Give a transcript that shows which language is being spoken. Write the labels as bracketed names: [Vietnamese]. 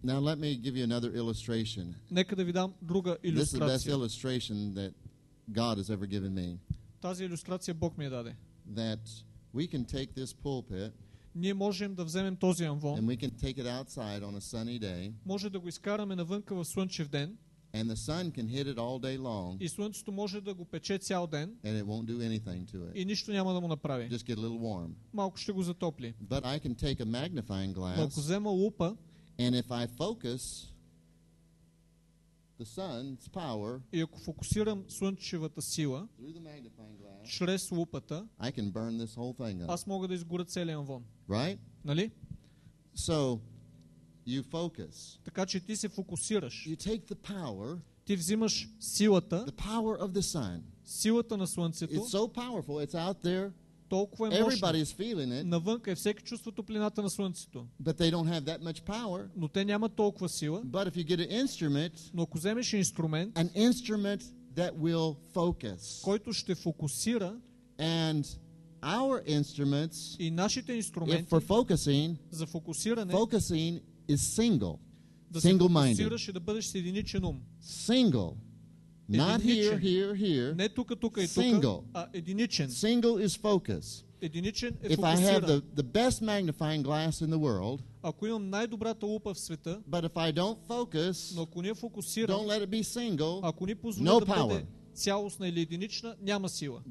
[English] Now let me give you another illustration. [Bulgarian] Нека да ви дам друга илюстрация. [English] This is the best illustration that God has ever given me. [Bulgarian] Тази илюстрация Бог ми я даде. [English] That we can take this pulpit. [Bulgarian] Ние можем да вземем този амвон. [English] And we can take it outside on a sunny day. [Bulgarian] Може да го изкараме навънка в слънчев ден. [English] And the sun can hit it all day long. [Bulgarian] И слънцето може да го пече цял ден. [English] And it won't do anything to it. [Bulgarian] И нищо няма да му направи. [English] Just get a little warm. [Bulgarian] Малко ще го затопли. [English] But I can take a magnifying glass. [Bulgarian] Ако взема лупа. [English] And if I focus the sun's power. [Bulgarian] И ако фокусирам слънчевата сила. [English] Through the magnifying glass. [Bulgarian] Чрез лупата, [English] I can burn this whole thing up. [Bulgarian] Аз мога да изгоря целия амвон. [English] Right? [Bulgarian] Нали? [English] So you focus. [Bulgarian] Така че ти се фокусираш. [English] You take the power. [Bulgarian] Ти взимаш силата. [English] The power of the sun. [Bulgarian] Силата на слънцето. [English] It's so powerful. It's out there. [Bulgarian] Толкова е мощно. [English] Everybody is feeling it. [Bulgarian] Навънка е, всеки чувства топлината на слънцето. [English] But they don't have that much power. [Bulgarian] Но те нямат толкова сила. [English] But if you get an instrument. [Bulgarian] Но ако вземеш инструмент. [English] An instrument that will focus. [Bulgarian] Който ще фокусира. [English] And our instruments. [Bulgarian] И нашите инструменти. [English] For focusing. [Bulgarian] За фокусиране. [English] Focusing is single. Single-minded. [Bulgarian] Да се фокусираш и да бъдеш с единичен ум. [English] Single. Not here, here, here. [Bulgarian] Не тука, тука и тука. [English] Single. [Bulgarian] А единичен. [English] Single is focus. [Bulgarian] Единичен е фокусиран. [English] If I have the best magnifying glass in the world. [Bulgarian] Ако имам най-добрата лупа в света, [English] but if I don't focus, [Bulgarian] но ако не фокусирам, [English] don't let it be single, [Bulgarian] ако не позволя [English] no power. [Bulgarian] Бъде цялостна или единична, няма сила.